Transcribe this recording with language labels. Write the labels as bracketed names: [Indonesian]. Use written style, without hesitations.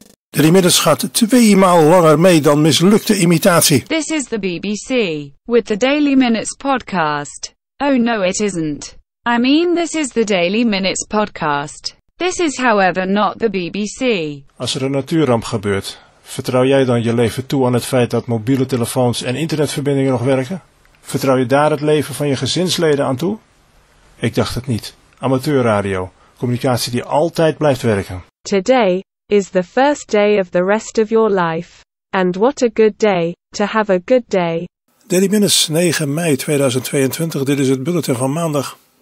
[Dutch] De remiddels gaat 2 maal langer mee dan mislukte imitatie. [English] This is the BBC, with the Daily Minutes podcast. Oh no, it isn't. I mean, this is the Daily Minutes podcast. This is however not the BBC. [Dutch] Als er een natuurramp gebeurt, vertrouw jij dan je leven toe aan het feit dat mobiele telefoons en internetverbindingen nog werken? Vertrouw je daar het leven van je gezinsleden aan toe? Ik dacht het niet. Amateurradio, communicatie die altijd blijft werken. [English] Today is the first day of the rest of your life. And what a good day, to have a good day. [Dutch] Daily Minutes, 9 mei 2022, dit is het bulletin van maandag.